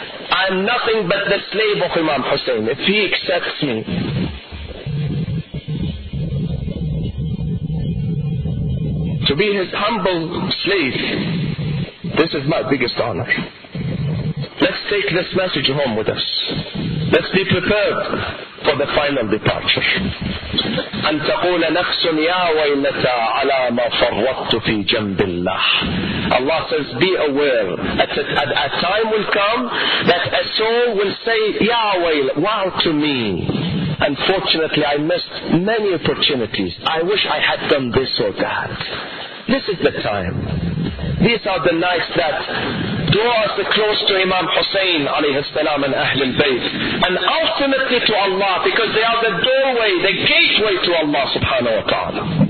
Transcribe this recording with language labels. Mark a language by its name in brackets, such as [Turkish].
[English] I am nothing but the slave of Imam Hussein. If he accepts me, to be his humble slave, this is my biggest honor. Let's take this message home with us. Let's be prepared for the final departure. [Arabic] أن تقول نفس يا ويلتا على ما فرطت في جنب الله. [English] Allah says, be aware that a time will come that a soul will say, [Arabic] ya ويل, [English] wow to me. Unfortunately, I missed many opportunities. I wish I had done this or that. This is the time. These are the nights that draw us close to Imam Hussein alayhi salam and Ahlul Bayt, and ultimately to Allah, because they are the doorway, the gateway to Allah subhanahu wa ta'ala.